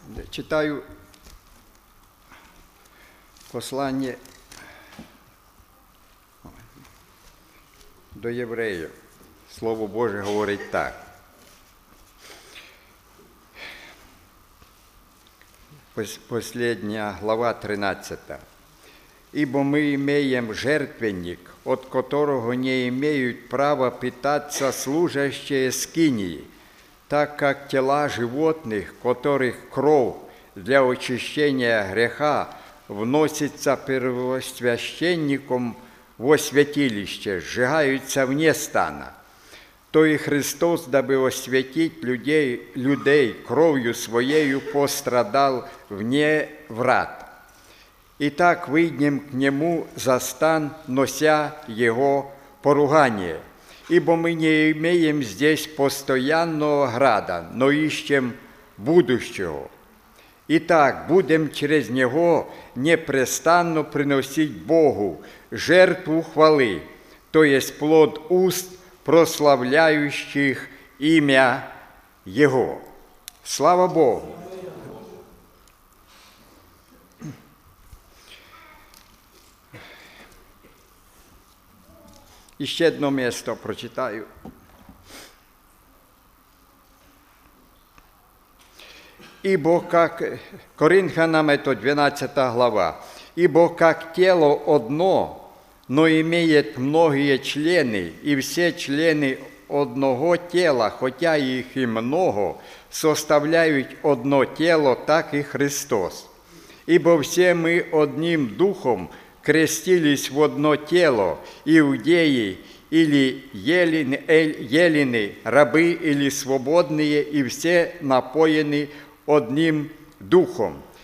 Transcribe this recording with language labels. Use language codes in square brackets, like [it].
[uk] Читаю послання до євреїв. Слово Боже говорить так. Послідня глава 13. [ru] Ібо ми імеєм жертвенник, от которого не імеють права питатися служащі скинії, так як тіла животних, которых кров для очищення греха, вносяться первосвященником во святилище, сжигаються вне стана. То і Христос, даби освятить людей кров'ю своєю, пострадав вне врат. І так вийдем к нему за стан, нося його поругання. Ібо ми не имеем здесь постоянного града, но іщем будущого. І так будем через нього непрестанно приносить Богу жертву хвали, то есть плод уст, прославляющих ім'я Його. Слава Богу! [uk] І ще одне місце прочитаю. Ібо як Коринфянам, це 12 глава. [ru] Ібо як тіло одно, но имеет многие члены, и все члены одного тела, хотя их и много, составляют одно тело, так и Христос. Ибо все мы одним духом крестились в одно тело, иудеи или елены, рабы или свободные, и все напоены одним духом.